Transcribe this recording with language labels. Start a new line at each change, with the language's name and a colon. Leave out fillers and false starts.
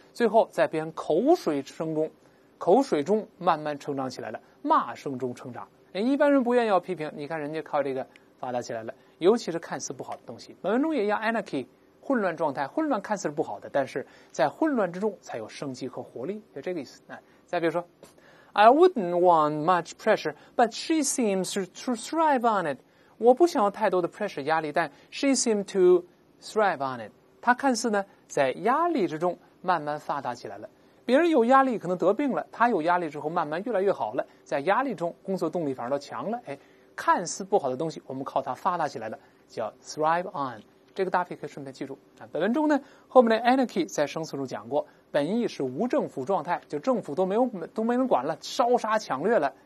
Chinese: 最后在别人口水中慢慢成长起来了，骂声中成长。一般人不愿意要批评，你看人家靠这个发达起来了，尤其是看似不好的东西。本文中也要 anarchy， 混乱状态，混乱看似是不好的，但是在混乱之中才有生机和活力，就这个意思。再比如说
English: I wouldn't want much pressure, but she seems to thrive on it.
Chinese: 我不想要太多的 pressure 压力，但
English: she seems to thrive on it.
Chinese: 她看似呢在压力之中慢慢发达起来了。别人有压力可能得病了，他有压力之后慢慢越来越好了，在压力中工作动力反而都强了。哎，看似不好的东西我们靠它发达起来了，叫
English: thrive on。
Chinese: 这个搭配可以顺便记住。本文中呢，后面的 anarchy 在生词中讲过，本意是无政府状态，就政府都没人管了，烧杀抢掠了。